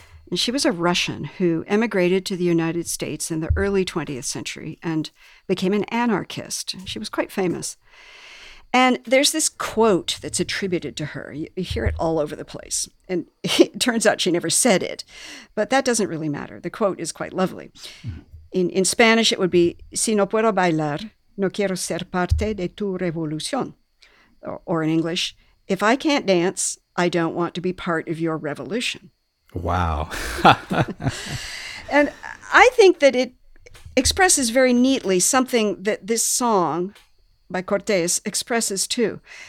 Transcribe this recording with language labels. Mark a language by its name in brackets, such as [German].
[English] And she was a Russian who emigrated to the United States in the early 20th century and became an anarchist. She was quite famous. And there's this quote that's attributed to her. You hear it all over the place. And it turns out she never said it, but that doesn't really matter. The quote is quite lovely. In Spanish, it would be, [Spanish] "Si no puedo bailar, no quiero ser parte de tu revolución." [English] Or in English, "If I can't dance, I don't want to be part of your revolution." Wow. And I think that it expresses very neatly something that this song by Cortés expresses too.